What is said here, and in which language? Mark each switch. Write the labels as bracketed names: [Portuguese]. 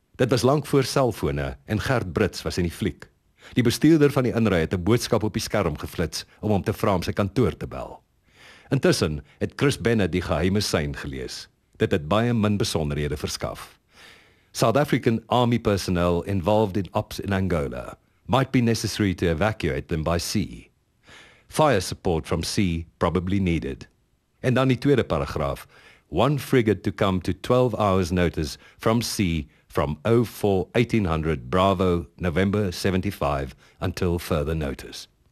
[Afrikaans] Dit was lank voor selfone en Gert Brits was in die fliek. Die bestuurder van die inry het 'n boodskap op die skerm geflits om hom te vra om sy kantoor te bel. Intussen het Chris Bennett die geheime sein gelees. Dit het baie min besonderhede verskaf. [English] South African army personnel involved in ops in Angola might be necessary to evacuate them by sea. Fire support from sea probably needed. [Afrikaans] En dan die tweede paragraaf. [English] One frigate to come to 12 hours notice from sea from 04-1800 Bravo November 75 until further notice.